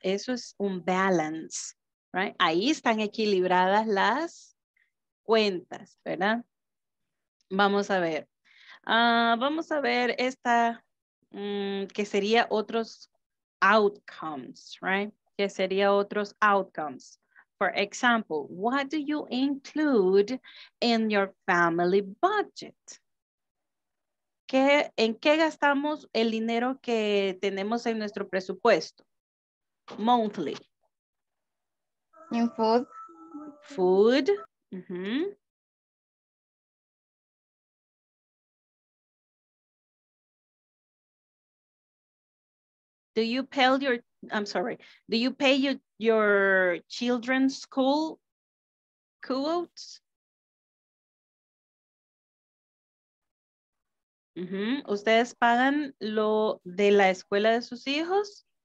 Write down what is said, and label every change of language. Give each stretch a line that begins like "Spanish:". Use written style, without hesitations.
Spanish: Eso es un balance, right? Ahí están equilibradas las cuentas, ¿verdad? Vamos a ver. Vamos a ver esta, que sería otros outcomes, right? Que sería otros outcomes.
English: For example, what do you include in your family budget?
Spanish: ¿Qué, en qué gastamos el dinero que tenemos en nuestro presupuesto?
English: Monthly. In food. Food. Mm-hmm. Do you pay your, I'm sorry, do you pay your children's school quotes? Mm-hmm.
Spanish: ¿Ustedes pagan lo de la escuela de sus hijos?